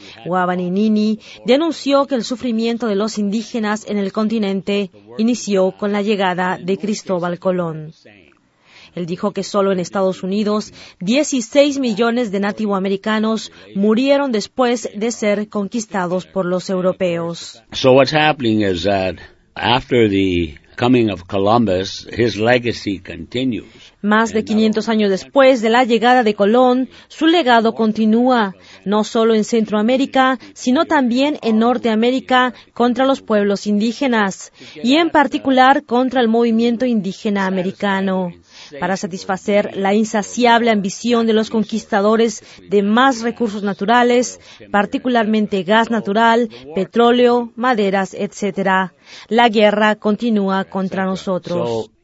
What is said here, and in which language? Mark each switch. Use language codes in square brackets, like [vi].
[es] Guabaninini denunció que el sufrimiento de los indígenas en el continente inició con la llegada de Cristóbal Colón. Él dijo que solo en Estados Unidos, 16 millones de nativoamericanos murieron después de ser conquistados por los europeos. [en] So what's happening is that after the coming of Columbus, his legacy continues. [es] Más de 500 años después de la llegada de Colón, su legado continúa, no solo en Centroamérica, sino también en Norteamérica contra los pueblos indígenas, y en particular contra el movimiento indígena americano. Para satisfacer la insaciable ambición de los conquistadores de más recursos naturales, particularmente gas natural, petróleo, maderas, etc., la guerra continúa contra nosotros.